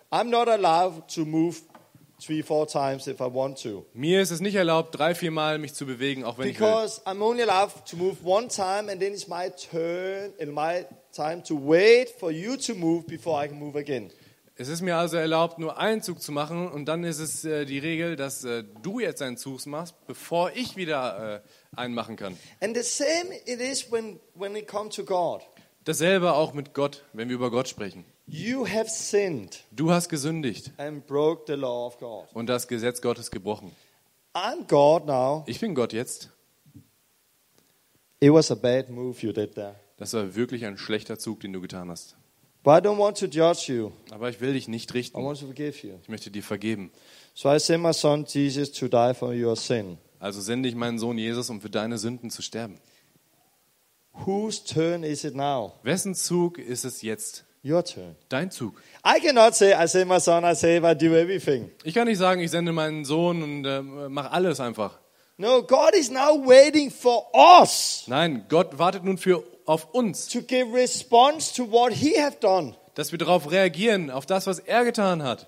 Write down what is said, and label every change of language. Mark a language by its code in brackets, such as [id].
[en] I'm not allowed to move 3-4 times if I want to. [de] Mir ist es nicht erlaubt, 3-4 Mal mich zu bewegen, auch wenn [en] because [de] ich will. [en] Because I'm only allowed to move one time and then it's my turn and my time to wait for you to move before I can move again. [de] Es ist mir also erlaubt, nur einen Zug zu machen und dann ist es die Regel, dass du jetzt einen Zug machst, bevor ich wieder einen machen kann. [en] And the same it is when it comes to God. [de] Dasselbe auch mit Gott, wenn wir über Gott sprechen. [en] You have sinned. [de] Du hast gesündigt. [en] And broke the law of God. [de] Und das Gesetz Gottes gebrochen. [en] I'm God now. [de] Ich bin Gott jetzt. [en] It was a bad move you did there. [de] Das war wirklich ein schlechter Zug, den du getan hast. [en] But I don't want to judge you. [de] Aber ich will dich nicht richten. [en] I want to forgive you. [de] Ich möchte dir vergeben. [en] So I send my son Jesus to die for your sin. [de] Also sende ich meinen Sohn Jesus, um für deine Sünden zu sterben. [en] Whose turn is it now? [de] Wessen Zug ist es jetzt? [en] Your turn. [de] Dein Zug. [en] I cannot say, I send my son, I save, I do everything. [de] Ich kann nicht sagen, ich sende meinen Sohn und mache alles einfach. [en] No, God is now waiting for us. [de] Nein, Gott wartet nun auf uns. [en] To give response to what he have done. [de] dass wir darauf reagieren, auf das, was er getan hat.